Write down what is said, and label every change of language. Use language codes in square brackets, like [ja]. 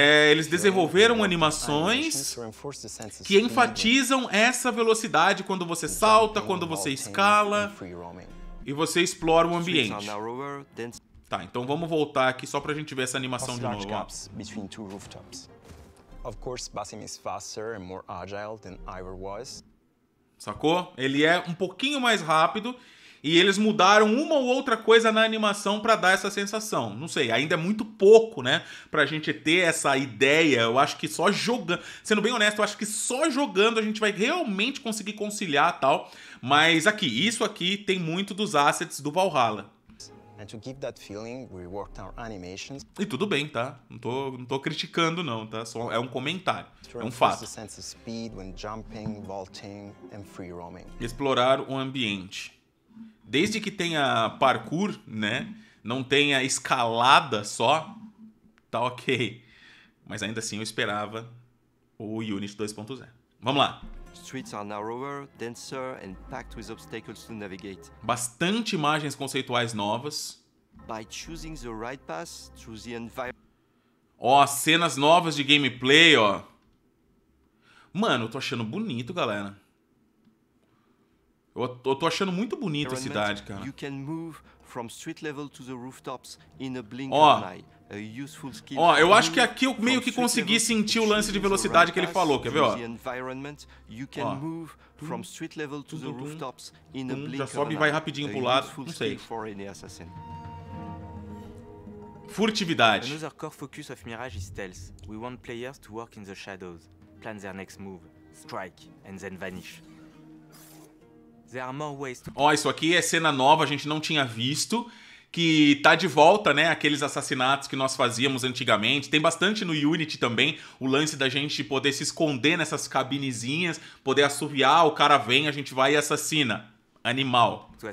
[pt] Eles desenvolveram animações que enfatizam essa velocidade quando você salta, quando você escala e você explora o ambiente. Tá, então vamos voltar aqui só pra gente ver essa animação de novo. [en] Gaps between two rooftops. Of course, Bassin is faster and more agile than Ivor was. [pt] Sacou? Ele é um pouquinho mais rápido e eles mudaram uma ou outra coisa na animação pra dar essa sensação. Não sei, ainda é muito pouco, né? Pra gente ter essa ideia. Eu acho que só jogando. Sendo bem honesto, eu acho que só jogando a gente vai realmente conseguir conciliar e tal. Mas aqui, isso aqui tem muito dos assets do Valhalla. [en] And to give that feeling, we worked our animations. [pt] E tudo bem, tá? Não tô criticando, não, tá? Só é um comentário. É um fato. [en] Sense of speed when jumping, vaulting, and free roaming. [pt] Explorar o ambiente. Desde que tenha parkour, né? Não tenha escalada só, tá ok. Mas ainda assim eu esperava o Unity 2.0. Vamos lá. [en] Streets are narrower, denser, and packed with obstacles to navigate. [pt] Bastante imagens conceituais novas. [en] By choosing the right path through the environment. [pt] Ó, cenas novas de gameplay, ó. Mano, eu tô achando bonito, galera. Eu tô achando muito bonito a cidade, cara. [en] You can move from street level to the rooftops in a blink of an eye. [pt] Ó, eu acho que aqui eu meio que consegui sentir o lance de velocidade que ele falou, quer ver, ó. Ó. Já sobe e vai rapidinho pro lado, não sei. Furtividade. [en] Another core focus of Mirage is stealth. We want players to work in the shadows, plan their next move, strike, and then vanish. There are more ways to... [pt] Ó, isso aqui é cena nova, a gente não tinha visto. Que tá de volta, né, aqueles assassinatos que nós fazíamos antigamente. Tem bastante no Unity também o lance da gente poder se esconder nessas cabinezinhas, poder assoviar, o cara vem, a gente vai e assassina. Animal.